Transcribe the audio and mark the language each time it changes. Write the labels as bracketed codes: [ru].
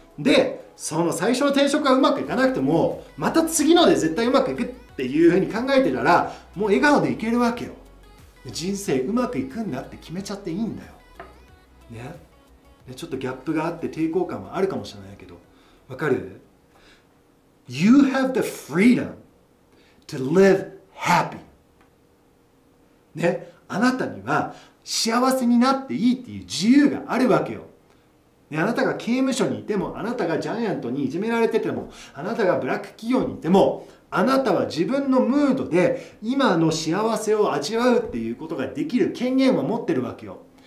[ja] で、その最初の転職がうまくいかなくても、また次ので絶対うまくいくっていうふうに考えてたら、もう笑顔でいけるわけよ。人生うまくいくんだって決めちゃっていいんだよ。ね。ちょっとギャップがあって抵抗感はあるかもしれないけど、わかる？ [en] You have the freedom to live happy. [ja] ね、あなたには幸せになっていいっていう自由があるわけよ、ね。あなたが刑務所にいても、あなたがジャイアントにいじめられてても、あなたがブラック企業にいても、あなたは自分のムードで今の幸せを味わうっていうことができる権限を持ってるわけよ。